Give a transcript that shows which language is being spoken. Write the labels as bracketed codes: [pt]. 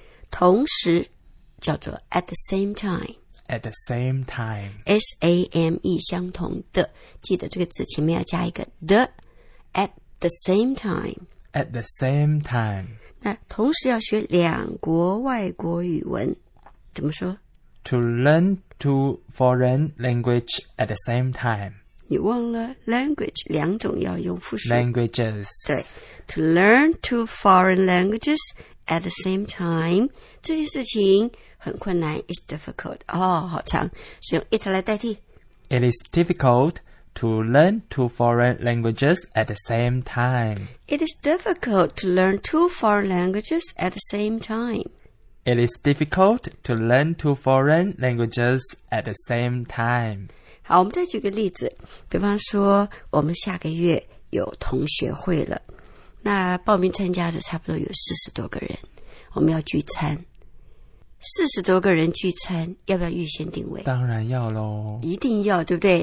[zh] 同时叫做 [en] at the same time， at the same time， [zh] S A M E 相同的，记得这个字前面要加一个的 at。 [en] The same time. At the same time. [zh] 那同时要学两国外国语文，怎么说？ [en] To learn two foreign language at the same time. [zh] 你忘了 language 两种要用复数。 [en] Languages. 对， to learn two foreign languages at the same time. [zh] 这件事情很困难， [en] it's difficult. [zh] 哦，好长，是用 it 来代替。 [en] It is difficult. To learn two foreign languages at the same time. It is difficult to learn two foreign languages at the same time. It is difficult to learn two foreign languages at the same time. [zh] 好，我们再举个例子，比方说我们下个月有同学会了，那报名参加的差不多有40多个人，我们要聚餐。 40多个人聚餐，要不要预先定位？当然要咯。一定要，对不对？